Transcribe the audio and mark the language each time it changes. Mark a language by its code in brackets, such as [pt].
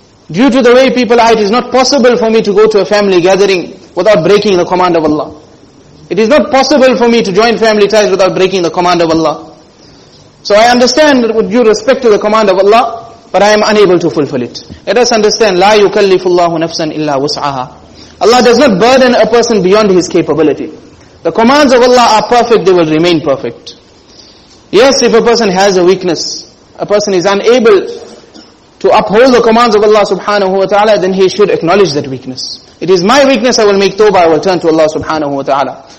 [en] Due to the way people are, it is not possible for me to go to a family gathering without breaking the command of Allah. It is not possible for me to join family ties without breaking the command of Allah. So I understand that with due respect to the command of Allah, but I am unable to fulfill it. Let us understand, [ar] لا يكلف الله نفسا إلا وسعها. [en] Allah does not burden a person beyond his capability. The commands of Allah are perfect, they will remain perfect. Yes, if a person has a weakness, a person is unable to uphold the commands of Allah subhanahu wa ta'ala, then he should acknowledge that weakness. It is my weakness, I will make tawbah, I will turn to Allah subhanahu wa ta'ala.